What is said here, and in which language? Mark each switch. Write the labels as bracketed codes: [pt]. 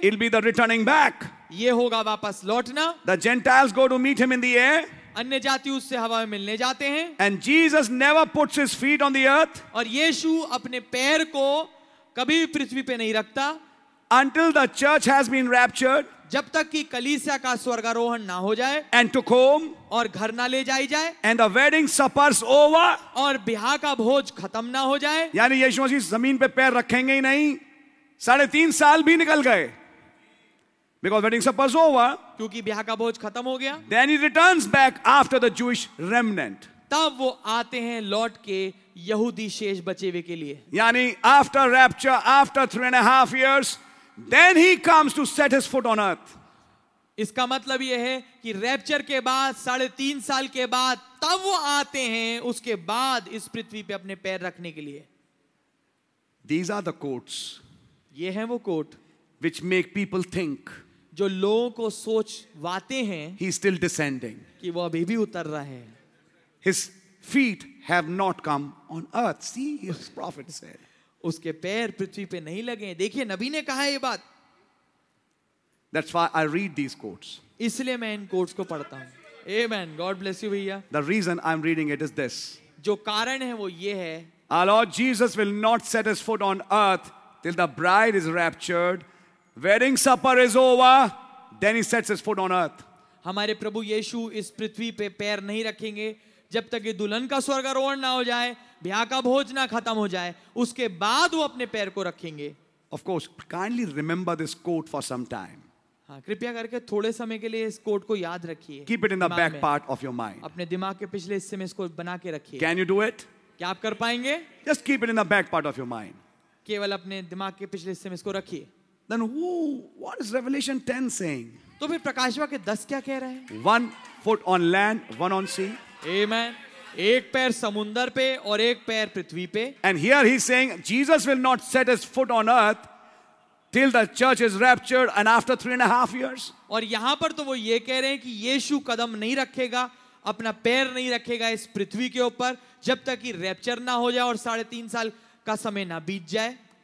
[en] It'll be the returning back. [hi] ये होगा वापस लौटना. [en] The Gentiles go to meet him in the air. [hi] अन्य जाति उससे हवा में मिलने जाते हैं. [en] And Jesus never puts his feet on the earth. [hi] और यीशु अपने पैर को कभी भी पृथ्वी पे नहीं रखता. [en] Until the church has been raptured. [hi] जब तक कि कलीसिया का स्वर्गारोहण ना हो जाए. [en] And took home. [hi] और घर ना ले जाई जाए. [en] And the wedding supper's over. [hi] और ब्याह का भोज खत्म ना हो जाए. यानी यीशु मसीह जमीन पे पैर रखेंगे ही नहीं. 3.5 साल भी निकल गए. [en] Because wedding supper's over. [hi] क्योंकि ब्याह का भोज खत्म हो गया. [en] Then he returns back after the Jewish remnant. [hi] तब वो आते हैं लौट के यहूदी शेष बचे हुए के लिए. यानी [en] after rapture, after 3.5 years, then he comes to set his foot on earth. [hi] इसका मतलब ये है कि रैप्चर के बाद 3.5 साल के बाद तब वो आते हैं उसके बाद इस पृथ्वी पे अपने पैर रखने के लिए. [en] These are the quotes. [hi] ये हैं वो coat. [en] Which make people think. [hi] जो लोगों को सोचवाते हैं. [en] He is still descending. [hi] कि वो अभी भी उतर रहा है. [en] His feet have not come on earth. See, his prophet said. [hi] उसके पैर पृथ्वी पे नहीं लगे. देखिए नबी ने कहा ये बात. [en] That's why I read these quotes. [hi] इसलिए मैं इन quotes को पढ़ता हूँ. [en] Amen. God bless you, भैया. The reason I'm reading it is this. [hi] जो कारण है वो ये है. [en] Our Lord Jesus will not set his foot on earth till the bride is raptured. Wedding supper is over, then he sets his foot on earth. [hi] हमारे प्रभु यीशु इस पृथ्वी पे पैर नहीं रखेंगे जब तक ये दुल्हन का स्वर्गारोहण ना हो जाए, ब्याह का भोज ना खत्म हो जाए, उसके बाद वो अपने पैर को रखेंगे. [en] Of course, kindly remember this quote for some time. [hi] हाँ, कृपया करके थोड़े समय के लिए इस कोट को याद रखिए. [en] Keep it in the back part of your mind. [hi] अपने दिमाग के पिछले हिस्से में इसको बना के रखिए. [en] Can you do it? [hi] क्या आप कर पाएंगे? [en] Just keep it in the back part of your mind. [hi] केवल अपने दिमाग के पिछले हिस्से में इसको रखिए. [en] Then who? What is Revelation 10 saying? [hi] तो फिर प्रकाशवाक्य 10 क्या कह रहा है? [en] One foot on land, one on sea. Amen. [hi] एक पैर समुंदर पे और एक पैर पृथ्वी पे. [en] And here he's saying Jesus will not set his foot on earth till the church is raptured and after 3.5 years. [hi] और यहाँ पर तो वो ये कह रहे हैं कि यीशु कदम नहीं रखेगा, अपना पैर नहीं रखेगा इस पृथ्वी के ऊपर जब तक कि रैप्चर ना हो जाए और 3.5 साल का समय ना बीत जाए.